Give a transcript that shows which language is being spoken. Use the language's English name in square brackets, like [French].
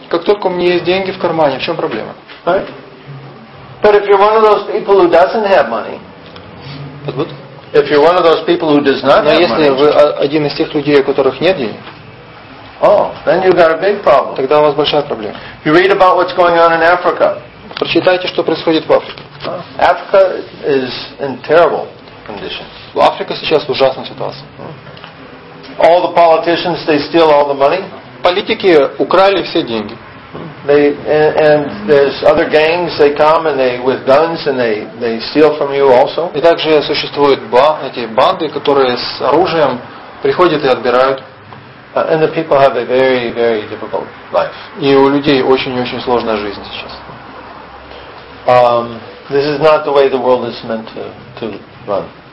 [Russian] Как только у меня есть деньги в кармане, в чем проблема? [English] Right? But if you're one of those people who doesn't have money, if you're one of those people who does not have money, [Russian] если вы один из тех людей, у которых нет денег, [English] oh, then you've got a big problem. [Russian] Тогда у вас большая проблема. [English] You read about what's going on in Africa. [Russian] Прочитайте, что происходит в Африке. [English] Africa is in terrible condition. [Russian] Африка сейчас в ужасной ситуации. [English] All the politicians, they steal all the money. [Russian] Политики украли все деньги. [English] They and there's other gangs. They come and they with guns and they steal from you also. [Russian] И также существуют эти банды, которые с оружием приходят и отбирают. [English] And the people have a very very difficult life. [Russian] И у людей очень очень сложная жизнь сейчас. [English] This is not the way the world is meant to run.